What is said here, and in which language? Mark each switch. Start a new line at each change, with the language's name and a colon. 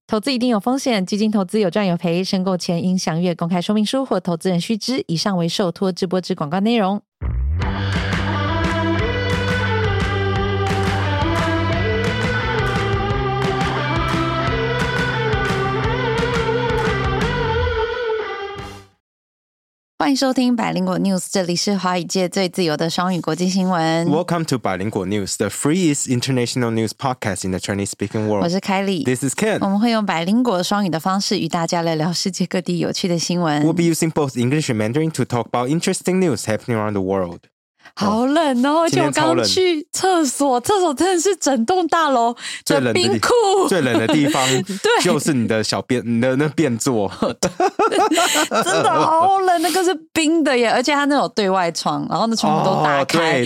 Chinese: 投资一定有风险基金投资有赚有赔申购前应详阅公开说明书或投资人须知以上为受托直播之广告内容欢迎收听百灵果 News， 这里是华语界最自由的双语国际新闻。
English: Welcome to 百灵果 News， the freest international news podcast in the Chinese speaking world。
Chinese: 我是凯莉
English: ，This is Ken。
Chinese: 我们会用百灵果双语的方式与大家来聊世界各地有趣的新闻。
English: We'll be using both English and Mandarin to talk about interesting news happening around the world。
Chinese: 好冷哦，而且我刚去厕所，厕所真的是整栋大楼最冷的冰库，最冷的地方，就是你的小便，你的那便座，真的好冷，那个是冰的耶，而且它那种对外窗，然后那窗户都打开，